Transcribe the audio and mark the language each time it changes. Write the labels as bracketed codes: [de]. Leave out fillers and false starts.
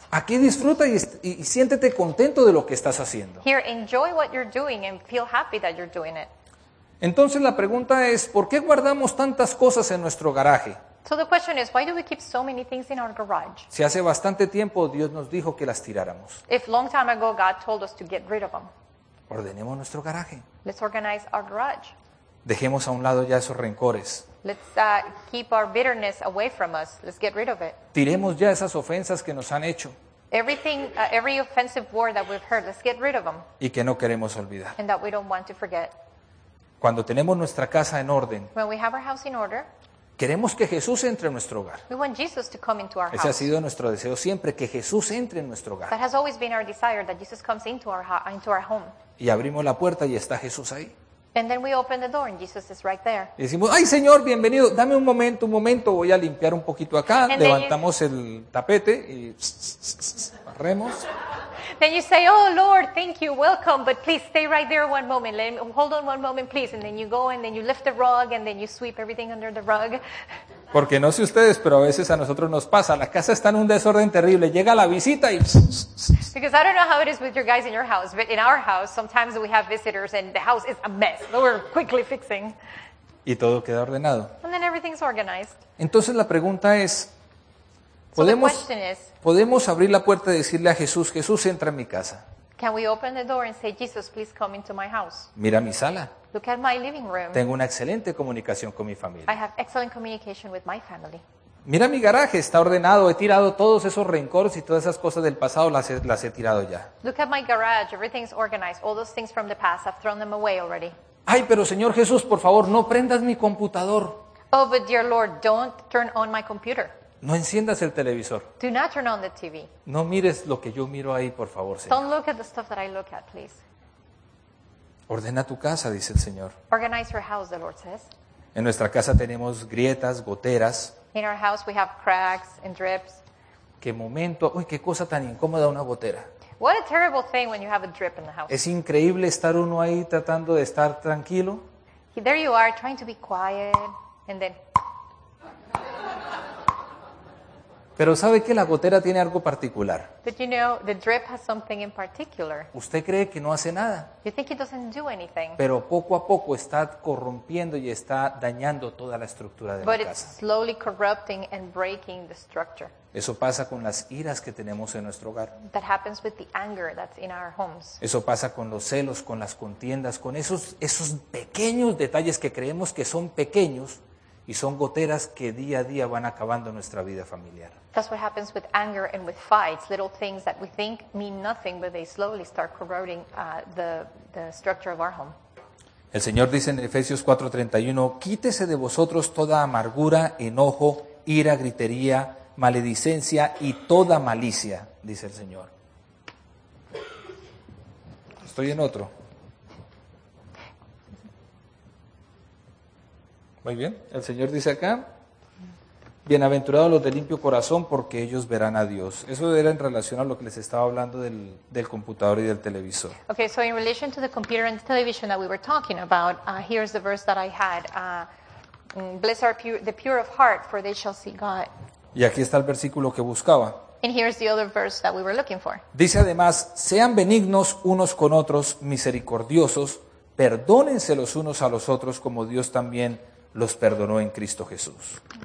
[es] Aquí disfruta y siéntete contento de lo que estás haciendo. [en] Here, enjoy what you're doing and feel happy that you're doing it. [es] Entonces la pregunta es, ¿por qué guardamos tantas cosas en nuestro garaje? [en] So the question is, why do we keep so many things in our garage? [es] Si hace bastante tiempo Dios nos dijo que las tiráramos. [en] If long time ago God told us to get rid of them. [es] Ordenemos nuestro garaje. [en] Let's organize our garage. [es] Dejemos a un lado ya esos rencores. [en] Let's keep our bitterness away from us. Let's get rid of it. [es] Tiremos ya esas ofensas que nos han hecho. [en] Every offensive word that we've heard, let's get rid of them. [es] Y que no queremos olvidar. [en] And that we don't want to forget. [es] Cuando tenemos nuestra casa en orden. [en] When we have our house in order. [es] Queremos que Jesús entre en nuestro hogar. [en] We want Jesus to come into our house. [es] Ese ha sido nuestro deseo siempre, que Jesús entre en nuestro hogar. [en] That has always been our desire, that Jesus comes into our home. [es] Y abrimos la puerta y está Jesús ahí. [en] And then we open the door and Jesus is right there. [es] Y decimos, ay Señor, bienvenido, dame un momento, voy a limpiar un poquito acá, and levantamos el tapete y barremos. [en] Then you say, oh Lord, thank you, welcome, but please stay right there one moment, hold on one moment please, and then you go and then you lift the rug and then you sweep everything under the rug. [es] Porque no sé ustedes, pero a veces a nosotros nos pasa, la casa está en un desorden terrible, llega la visita y... [en] Because I don't know how it is with your guys in your house, but in our house, sometimes we have visitors and the house is a mess, so we're quickly fixing. [es] Y todo queda ordenado. [en] And then everything's organized. [es] Entonces la pregunta es, ¿podemos abrir la puerta y decirle a Jesús, Jesús, entra en mi casa? [en] Can we open the door and say, Jesus, please come into my house? [es] Mira mi sala. [en] Look at my living room. [es] Tengo una excelente comunicación con mi familia. [en] I have excellent communication with my family. [es] Mira mi garaje, está ordenado. He tirado todos esos rencores y todas esas cosas del pasado, las he tirado ya. [en] Look at my garage, everything's organized. All those things from the past, I've thrown them away already. [es] Ay, pero Señor Jesús, por favor, no prendas mi computador. [en] Oh, but dear Lord, don't turn on my computer. [es] No enciendas el televisor. [en] Do not turn on the TV. [es] No mires lo que yo miro ahí, por favor, Señor. [en] Don't look at the stuff that I look at, please. [es] Ordena tu casa, dice el Señor. [en] Organize your house, the Lord says. [es] En nuestra casa tenemos grietas, goteras. [en] In our house we have cracks and drips. [es] Qué momento, uy, qué cosa tan incómoda una gotera. [en] What a terrible thing when you have a drip in the house. [es] Es increíble estar uno ahí tratando de estar tranquilo. [en] There you are trying to be quiet and then. [es] Pero sabe que la gotera tiene algo particular. [en] But you know, the drip has something in particular. [es] Usted cree que no hace nada. [en] You think it doesn't do anything. [es] Pero poco a poco está corrompiendo y está dañando toda la estructura de [en] But it's [es] casa. [en] Slowly corrupting and breaking the structure. [es] Eso pasa con las iras que tenemos en nuestro hogar. [en] That happens with the anger that's in our homes. [es] Eso pasa con los celos, con las contiendas, con esos pequeños detalles que creemos que son pequeños. Y son goteras que día a día van acabando nuestra vida familiar. [en] That's what happens with anger and with fights. Little things that we think mean nothing, but they slowly start corroding the structure of our home. [es] El Señor dice en Efesios 4:31, quítese de vosotros toda amargura, enojo, ira, gritería, maledicencia y toda malicia, dice el Señor. Estoy en otro. Muy bien. El Señor dice acá, bienaventurados los de limpio corazón, porque ellos verán a Dios. Eso era en relación a lo que les estaba hablando del computador y del televisor. [en] Okay, so in relation to the computer and the television that we were talking about, here's the verse that I had. Blessed are the pure of heart, for they shall see God. [es] Y aquí está el versículo que buscaba. [en] And here's the other verse that we were looking for. [es] Dice además, sean benignos unos con otros, misericordiosos, perdónense los unos a los otros, como Dios también los perdonó en Cristo Jesús.